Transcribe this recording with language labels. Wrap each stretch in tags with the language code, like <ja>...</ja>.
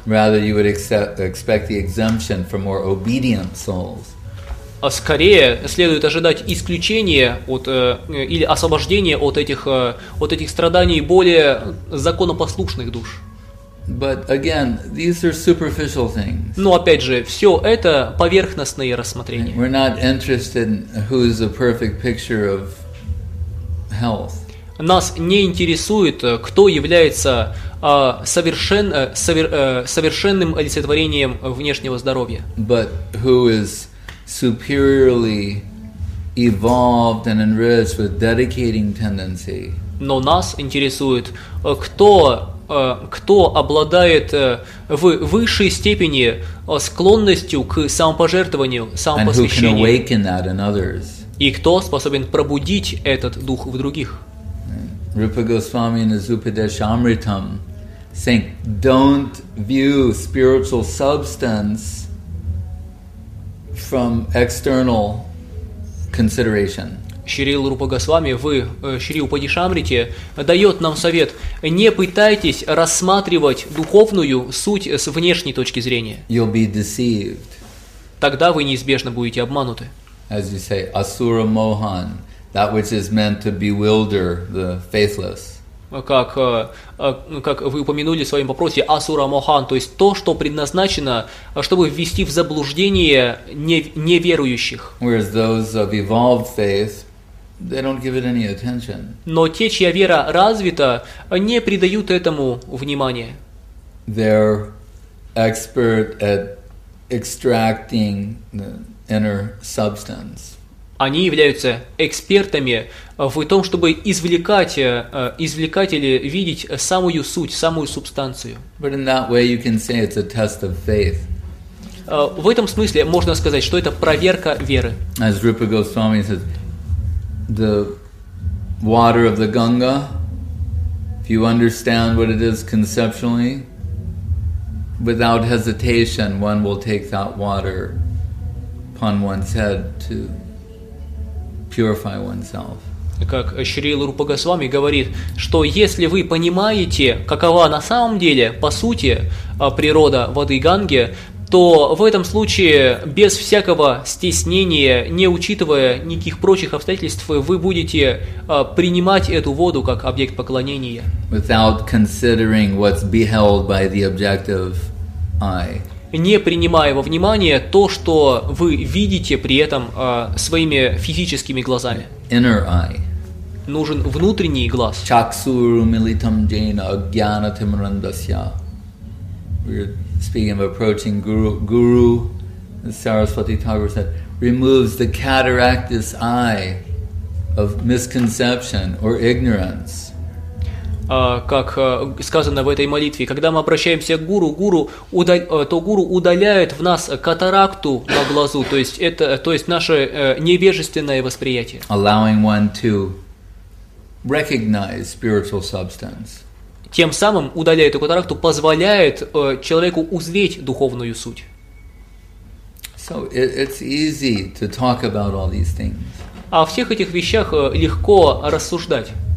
<en>Rather, you would expect the exemption for more obedient souls.</en> <ru>Скорее следует ожидать исключения от или освобождения от этих страданий более законопослушных душ.</ru> <en>But again, these are superficial things.</en> <ru>Но опять же, все это поверхностные рассмотрения.</ru> <en>We're not interested in who's a perfect picture of health.</en> <ru>Нас не интересует, кто является совершенным олицетворением внешнего здоровья.</ru> <en>But who is superiorly evolved and enriched with dedicating tendency.</en> <ru>Но нас интересует, кто обладает в высшей степени склонностью к самопожертвованию, самопосвящению.</ru> <en>And who can awaken that in others?</en> <ru>И кто способен пробудить этот дух в других?</ru> <en>Rupa Goswami in his Upadeshamritam saying, don't view spiritual substance from external consideration.</en> <ru>Шрила Рупа Госвами в Шри Упадешамрите дает нам совет: не пытайтесь рассматривать духовную суть с внешней точки зрения.</ru> <en>You'll be deceived.</en> <ru>Тогда вы неизбежно будете обмануты.</ru> <en>As you say, asura mohan, that which is meant to bewilder the faithless.</en> <ru>Как вы упомянули в своем вопросе, асура мохан, то есть то, что предназначено, чтобы ввести в заблуждение неверующих.</ru> <en>Whereas those of evolved faith, they don't give it any attention.</en> <ru>Но те, чья вера развита, не придают этому внимания.</ru> <en>They're expert at extracting the inner substance.</en> <ru>Они являются экспертами в том, чтобы извлекать или видеть самую суть, самую субстанцию.</ru> <en>But in that way you can say it's a test of faith.</en> <ru>В этом смысле можно сказать, что это проверка веры.</ru> <en>As Rupa Goswami says, the water of the Ganga, if you understand what it is conceptually, without hesitation one will take that water upon one's head to purify oneself.</en> <ru>Как Шрила Рупа Госвами говорит, что если вы понимаете, какова на самом деле, по сути, природа воды Ганги, то в этом случае, без всякого стеснения, не учитывая никаких прочих обстоятельств, вы будете принимать эту воду как объект поклонения.</ru> <en>Without considering what's beheld by the objective eye.</en> <ru>Не принимая во внимание то, что вы видите при этом своими физическими глазами.</ru> <en>Inner eye.</en> <ru>Нужен внутренний глаз.</ru> <sa>Чаксуру милитам джейна агьяна тимрандасья.</sa> <en>We're speaking of approaching Guru. Sarasvati Thakur said, removes the cataractous eye of misconception or ignorance.</en> <ru>Как сказано в этой молитве, когда мы обращаемся к гуру, то гуру удаляет в нас катаракту на глазу, то есть наше невежественное восприятие.</ru> <en>Allowing one to recognize spiritual substance.</en> <ru>Тем самым удаляя эту катаракту, позволяет человеку узреть духовную суть.</ru> <en>So it's easy to talk about all these things.</en> <ru>О всех этих вещах легко рассуждать.</ru>